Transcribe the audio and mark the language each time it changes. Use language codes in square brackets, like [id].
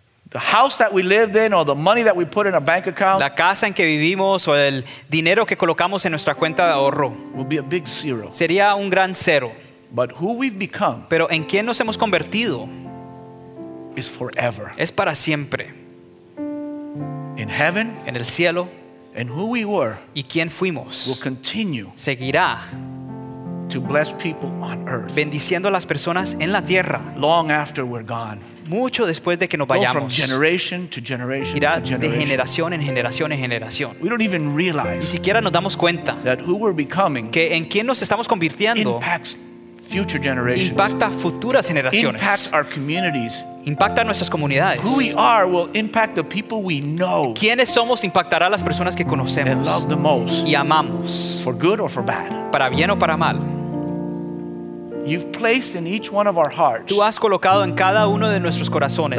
[en] The house that we lived in, or the money that we put in a bank account, [es] la casa en que vivimos o el dinero que colocamos en nuestra cuenta de ahorro, [en] will be a big zero. [es] Sería un gran cero. [en] But who we've become, [es] pero en quién nos hemos convertido, [en] is forever. [es] Es para siempre. [en] In heaven, [es] en el cielo, [en] and who we were, [es] y quién fuimos, [en] will continue. [es] Seguirá. [en] To bless people on earth. [es] Bendiciendo a las personas en la tierra. [en] Long after we're gone. [es] Mucho después de que nos vayamos. [en] Go from generation to generation. [es] Irá de generación en generación en generación. [en] We don't even realize. [es] Ni siquiera nos damos cuenta. [en] That who we're becoming. [es] Que en quién nos estamos convirtiendo. [en] Impacts future generations. [es] Impacta futuras generaciones. [en] Impacts our communities. [es] impacta nuestras comunidades. [en] Who we are will impact the people we know. [es] Quiénes somos impactará las personas que conocemos. [en] And love the most. [es] Y amamos. [en] For good or for bad. [es] Para bien o para mal. [en] You've placed in each one of our hearts. [es] Tú has colocado en cada uno de nuestros corazones.